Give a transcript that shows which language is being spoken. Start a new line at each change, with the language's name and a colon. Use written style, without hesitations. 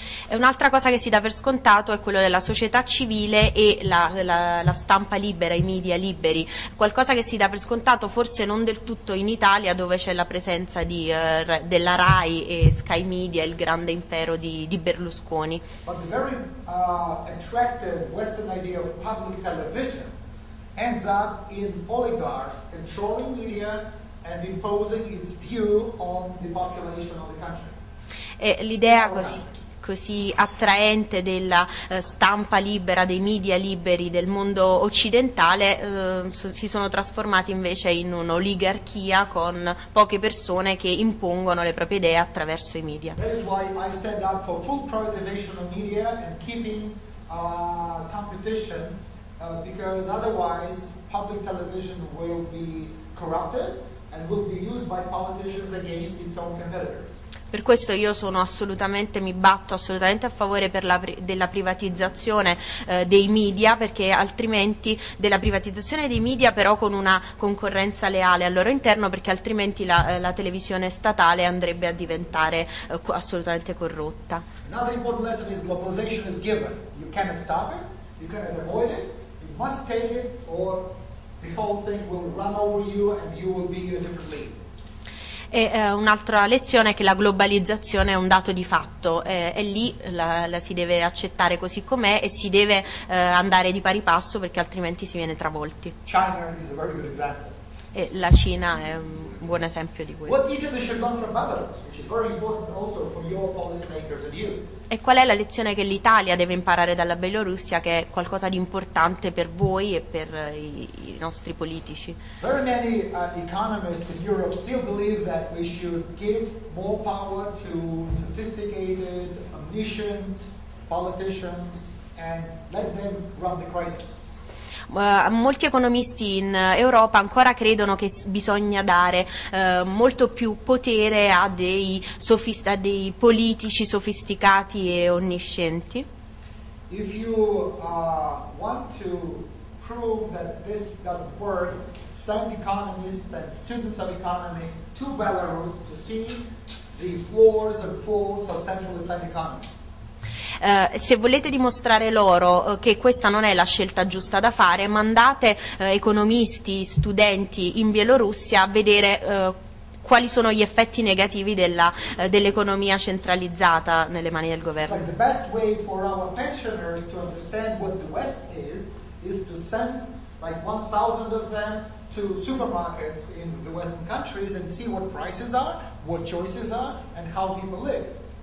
Italian: E un'altra cosa che si dà per scontato è quello della società civile e la stampa libera, i media liberi. Qualcosa che si dà per scontato forse non del tutto in Italia, dove c'è la presenza della RAI e Sky Media, il grande impero di Berlusconi.
English: But the very attractive Western idea of public television ends up in oligarchs controlling media and imposing its view on the population of the country.
Italian: E l'idea così attraente della stampa libera, dei media liberi del mondo occidentale, si sono trasformati invece in un'oligarchia con poche persone che impongono le proprie idee attraverso i media.
English: That is why I stand up for full privatization of media and keeping competition, because otherwise public television will be corrupted and will be used by politicians against its own competitors.
Italian: Per questo io sono assolutamente, mi batto assolutamente a favore per la, della privatizzazione dei media, perché altrimenti, della privatizzazione dei media però con una concorrenza leale al loro interno, perché altrimenti la, la televisione statale andrebbe a diventare assolutamente corrotta.
English: Another important lesson is globalization is given. You cannot stop it, you cannot avoid it, you must take it or the whole thing will run over you and you will be in a different league.
Italian: E un'altra lezione è che la globalizzazione è un dato di fatto, è lì, la, la si deve accettare così com'è e si deve andare di pari passo, perché altrimenti si viene travolti.
English: China is a very good example.
Italian: E la Cina è un buon esempio di questo.
English: What teaching they should learn from Belarus, which is very important also for your policymakers and you.
Italian: E qual è la lezione che l'Italia deve imparare dalla Bielorussia, che è qualcosa di importante per voi e per i, i nostri politici?
English: Very many economists in Europe still believe that we should give more power to sophisticated, omniscient politicians and let them run the crisis.
Italian: Molti economisti in Europa ancora credono che bisogna dare molto più potere a dei, a dei politici sofisticati e onniscienti.
English: If you want to prove that this doesn't work, send economists and students of economy to Belarus to see the flaws and faults of central planned economy.
Italian: Se volete dimostrare loro che questa non è la scelta giusta da fare, mandate economisti, studenti in Bielorussia a vedere quali sono gli effetti negativi della, dell'economia centralizzata nelle mani del governo.
English: Like the best way for our pensioners to understand what the West is to send like 1,000 of them to supermarkets in the Western countries and see what prices are, what choices are and how people live.